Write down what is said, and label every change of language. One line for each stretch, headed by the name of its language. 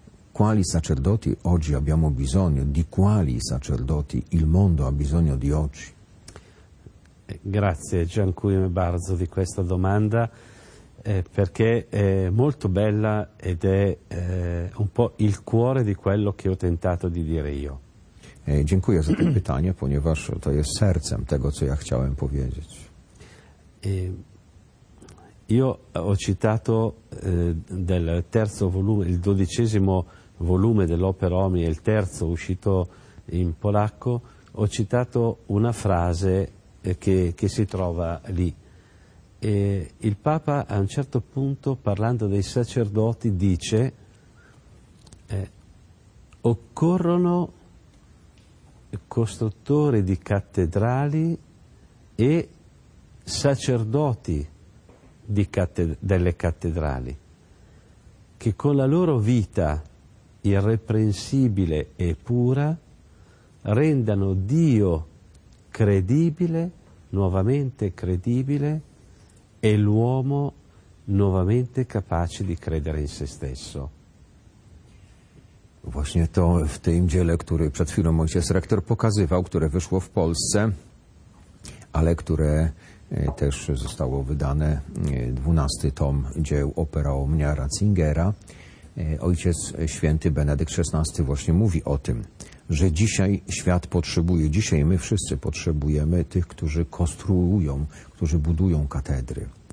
Italian: Quali sacerdoti oggi abbiamo bisogno? Di quali sacerdoti il mondo ha bisogno di oggi? Grazie,
Polish: dziękujemy bardzo
Italian: di questa domanda, perché è molto bella ed è un po' il cuore di quello che ho tentato di dire io.
Polish: Dziękuję za to pytanie, ponieważ to jest sercem tego, co ja chciałem powiedzieć.
Italian: Io ho citato del terzo volume, il dodicesimo volume dell'Opera Omnia, il terzo uscito in polacco, ho citato una frase che si trova lì. E il Papa a un certo punto, parlando dei sacerdoti, dice occorrono costruttori di cattedrali e sacerdoti di delle cattedrali, che con la loro vita irreprensibile e pura rendano Dio credibile, nuovamente credibile, e l'uomo nuovamente capace di credere in se stesso.
Polish: Właśnie to w tym dziele, który przed chwilą ojciec rektor pokazywał, które wyszło w Polsce, ale które też zostało wydane, 12 tom dzieł Opera Omnia Ratzingera, ojciec święty Benedykt XVI właśnie mówi o tym, że dzisiaj świat potrzebuje, dzisiaj my wszyscy potrzebujemy tych, którzy konstruują, którzy budują katedry.